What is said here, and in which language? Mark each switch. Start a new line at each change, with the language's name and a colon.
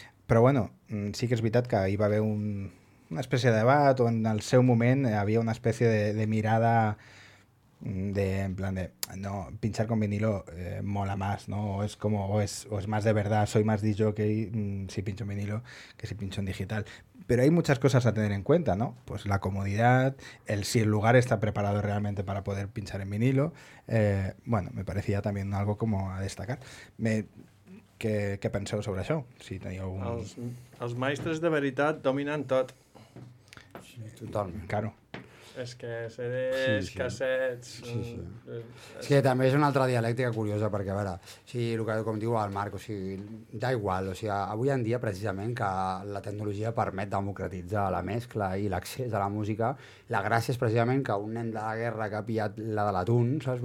Catalan: Però bueno, sí que és veritat que hi va haver una espècie de debat, o en el seu moment hi havia una espècie de mirada
Spanish: de en plan de no pinchar con vinilo mola más, ¿no? O es como o es más de verdad, soy más DJ que si pincho en vinilo que si pincho en digital. Pero hay muchas cosas a tener en cuenta, ¿no? Pues la comodidad, el si el lugar está preparado realmente para poder pinchar en vinilo. Bueno, me parecía también algo como a destacar.
Catalan: ¿Qué penseu sobre això? Si teniu algun... Els maestres de veritat dominen tot. Sí, tothom.
Spanish: Claro.
Catalan: És que CDs, sí, sí. Cassets... Sí, sí. És que també és una altra dialèctica curiosa, perquè, a veure, si, el que, com diu el Marc, o sigui,
Spanish: da igual,
Catalan: o sigui, avui en dia, precisament, que la tecnologia permet democratitzar la mescla i l'accés a la música, la gràcia és precisament que un nen de la guerra que ha pillat la de l'atún, saps?